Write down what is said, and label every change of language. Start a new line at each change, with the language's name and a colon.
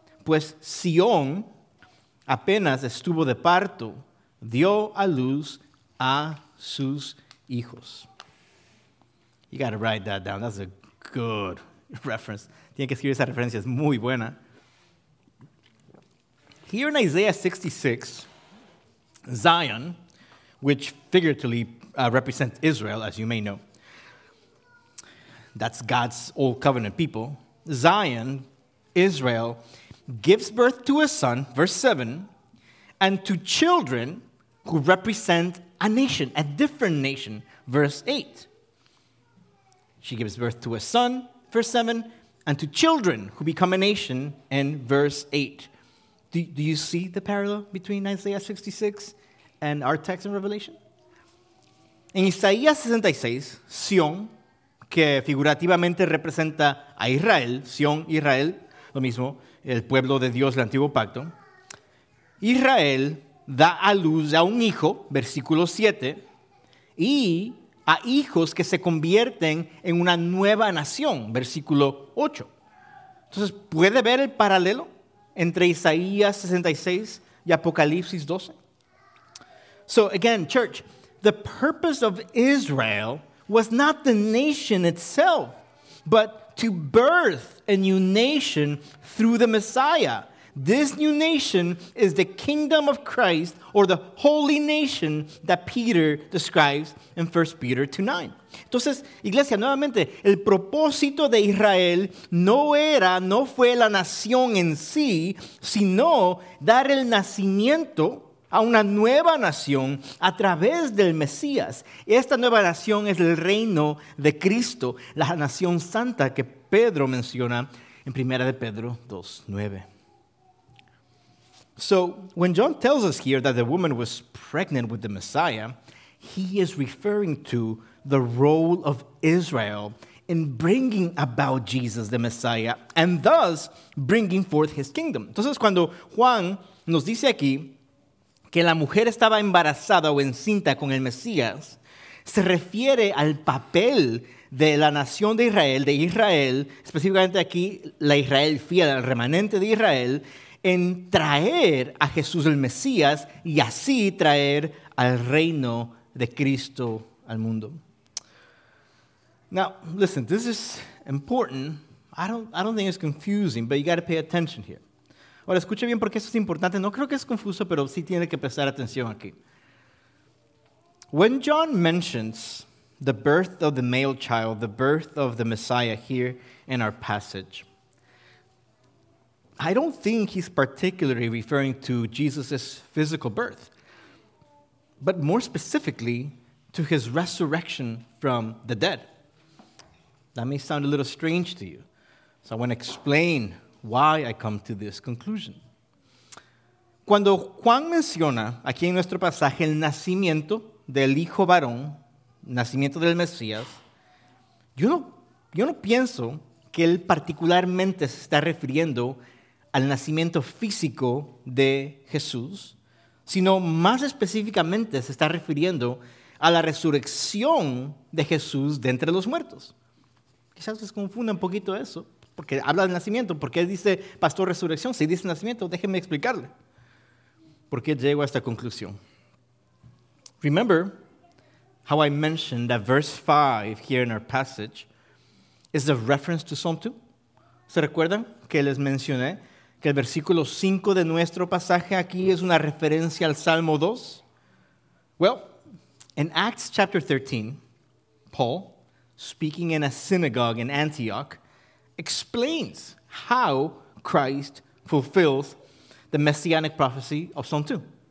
Spanish: Pues Sion apenas estuvo de parto, dio a luz a sus hijos.
English: You got to write that down. That's a good reference.
Spanish: Tienes que escribir esa referencia. Es muy buena.
English: Here in Isaiah 66, Zion, which figuratively represents Israel, as you may know, that's God's old covenant people. Zion, Israel, gives birth to a son, verse 7, and to children who represent a nation, a different nation, verse 8. She gives birth to a son, verse 7, and to children who become a nation, in verse 8. Do you see the parallel between Isaiah 66 and our text in Revelation?
Spanish: En Isaías 66, Sion, que figurativamente representa a Israel, Sion, Israel, lo mismo, el pueblo de Dios del Antiguo Pacto, Israel da a luz a un hijo, versículo 7, y a hijos que se convierten en una nueva nación, versículo 8. Entonces, ¿puede ver el paralelo entre Isaías 66 y Apocalipsis 12?
English: So, again, church, the purpose of Israel was not the nation itself, but to birth a new nation through the Messiah. This new nation is the kingdom of Christ, or the holy nation that Peter describes in 1 Peter 2:9.
Spanish: Entonces, iglesia, nuevamente, el propósito de Israel no fue la nación en sí, sino dar el nacimiento a una nueva nación a través del Mesías. Esta nueva nación es el reino de Cristo, la nación santa que Pedro menciona en 1 Pedro 2:9.
English: So, when John tells us here that the woman was pregnant with the Messiah, he is referring to the role of Israel in bringing about Jesus, the Messiah, and thus bringing forth his kingdom.
Spanish: Entonces, cuando Juan nos dice aquí que la mujer estaba embarazada o encinta con el Mesías, se refiere al papel de la nación de Israel, específicamente aquí la Israel fiel, el remanente de Israel, en traer a Jesús el Mesías y así traer al reino de Cristo al mundo.
English: Now, listen, this is important. I don't think it's confusing, but you got to pay attention here.
Spanish: Ahora, escuche bien porque esto es importante. No creo que es confuso, pero sí tiene que prestar atención aquí.
English: When John mentions the birth of the male child, the birth of the Messiah here in our passage, I don't think he's particularly referring to Jesus' physical birth, but more specifically to his resurrection from the dead. That may sound a little strange to you, so I want to explain why I come to this conclusion.
Spanish: Cuando Juan menciona aquí en nuestro pasaje el nacimiento del hijo varón, nacimiento del Mesías, yo no pienso que él particularmente se está refiriendo al nacimiento físico de Jesús, sino más específicamente se está refiriendo a la resurrección de Jesús de entre los muertos. Quizás les confunda un poquito eso, porque habla del nacimiento, porque dice pastor resurrección, si dice nacimiento, déjenme explicarle por qué llego a esta conclusión.
English: Remember how I mentioned that verse 5 here in our passage is a reference to Psalm 2?
Spanish: ¿Se recuerdan que les mencioné que el versículo 5 de nuestro pasaje aquí es una referencia al Salmo 2?
English: Well, in Acts chapter 13, Paul, speaking in a synagogue in Antioch, explains how Christ fulfills the messianic prophecy of Psalm 2.